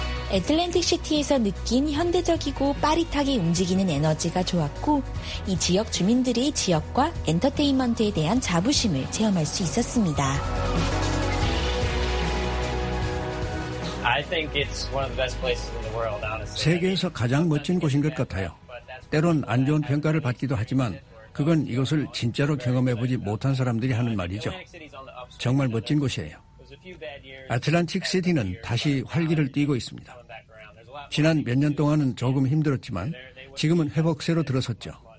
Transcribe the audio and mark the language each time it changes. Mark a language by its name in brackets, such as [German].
[Korean] 애틀랜틱 시티에서 느낀 현대적이고 빠릿하게 움직이는 에너지가 좋았고 이 지역 주민들이 지역과 엔터테인먼트에 대한 자부심을 체험할 수 있었습니다. [English] I think it's one of the best places in the world, honestly. [Korean] 세계에서 가장 멋진 곳인 것 같아요. 때론 안 좋은 평가를 받기도 하지만 그건 이것을 진짜로 경험해보지 못한 사람들이 하는 말이죠. 정말 멋진 곳이에요. 애틀랜틱 시티는 다시 활기를 띠고 있습니다. 지난 몇 년 동안은 조금 힘들었지만 지금은 회복세로 들어섰죠.